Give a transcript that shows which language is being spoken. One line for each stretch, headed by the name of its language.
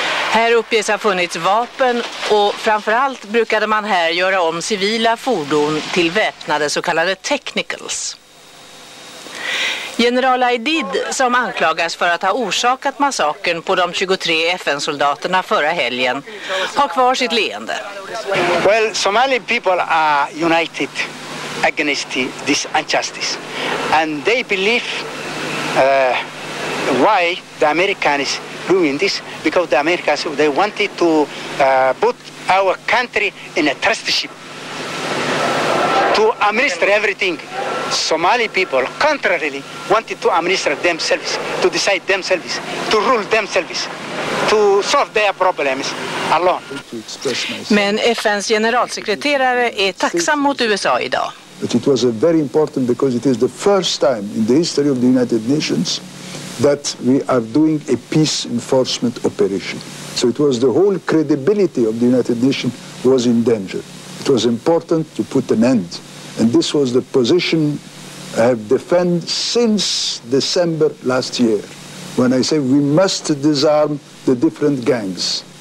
Swedish: Här uppges ha funnits vapen och framförallt brukade man här göra om civila fordon till väpnade så kallade technicals. General Aidid, som anklagas för att ha orsakat massakern på de 23 FN-soldaterna förra helgen, har kvar sitt leende.
English: Well, Somali people are united against this injustice. And they believe why the Americans doing this, because the Americans, they wanted to put our country in a trusteeship to administer everything. Somali people, contrarily, wanted to administer themselves, to decide themselves, to rule themselves, to solve their problems alone.
Swedish: Men FN:s generalsekreterare är tacksam mot USA idag.
English: But it was a very important because it is the first time in the history of the United Nations that we are doing a peace enforcement operation. So it was the whole credibility of the United Nations was in danger. It was important to put an end. And this was the position I have defended since December last year, when I say we must disarm the different gangs.